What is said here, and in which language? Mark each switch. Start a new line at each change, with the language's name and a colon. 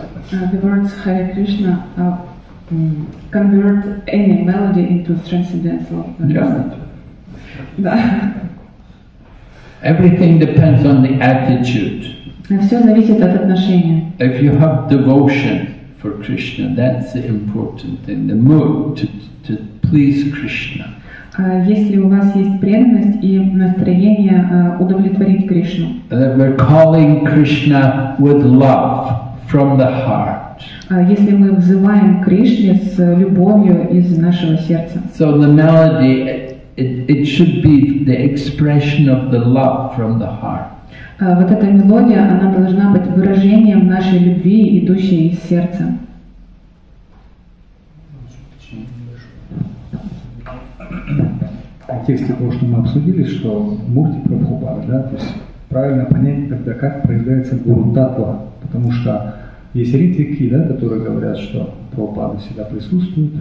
English: The words Харе Кришна convert any melody into transcendental. Yeah.
Russian: Да.
English: Everything depends on the attitude.
Russian: Все зависит от отношения.
English: If you have devotion for Krishna, that's the important thing. The mood to please Krishna.
Russian: Если у вас есть преданность и настроение удовлетворить Кришну.
English: That we're calling Krishna with love from the heart.
Russian: Если мы взываем к Кришне с любовью из нашего сердца.
English: So the melody, it should be the expression of the love from the heart.
Russian: Вот эта мелодия, она должна быть выражением нашей любви, идущей из сердца. В контексте того, что мы обсудили, что мурти прабхупада, да, то есть правильно понять тогда, как проявляется гуру татва, потому что есть ритвики, да, которые говорят, что Прабхупада всегда присутствует.